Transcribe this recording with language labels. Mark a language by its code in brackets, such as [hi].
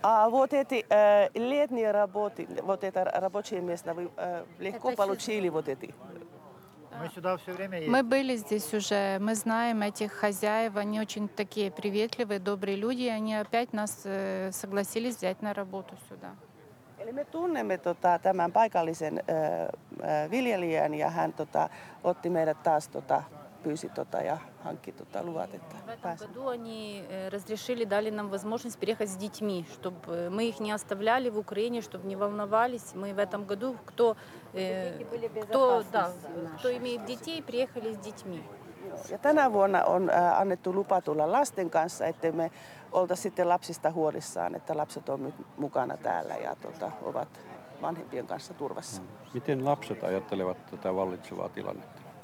[ru] Вот эти летние работы, вот это рабочее место, вы легко получили вот эти? Мы сюда все время ездили. Мы были здесь уже, мы знаем этих хозяев, они очень такие приветливые, добрые люди, и они опять нас согласились взять на работу сюда. [fi] Eli me tunnemme tämän paikallisen viljelijän ja hän otti meidät taas pyysi ja hankki luvat, että pääsemme. [ru] В этом году они разрешили, дали нам возможность переехать с детьми, чтобы мы их не оставляли в Украине, чтобы не волновались. Мы в этом году, кто имеет детей, приехали с детьми. [fi] Ja tänä vuonna on annettu lupa tulla lasten kanssa, että me oltaisiin sitten lapsista huolissaan, että lapset on nyt mukana täällä ja ovat vanhempien kanssa turvassa. Miten lapset ajattelevat tätä vallitsevaa tilannetta?